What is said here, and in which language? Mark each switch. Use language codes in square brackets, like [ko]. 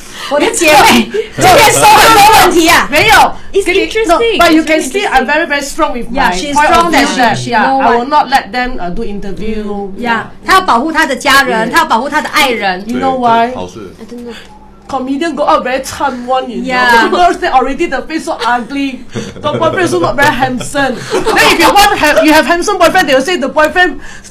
[zh] 我的姐妹今天说的没问题啊，没有。 [en] It's interesting. No, but you can see I'm very very strong with yeah, Yeah, she's strong that she. She yeah, no I will not let them do interview. Yeah, [zh] 她要保护她的家人，她要保护她的爱人。 [en] You know why? [zh] 好事。 [en] Comedian go out very chan one, you know. People say already the face so ugly. The boyfriend is not very handsome. Then if you want, you have handsome boyfriend, they will say the boyfriend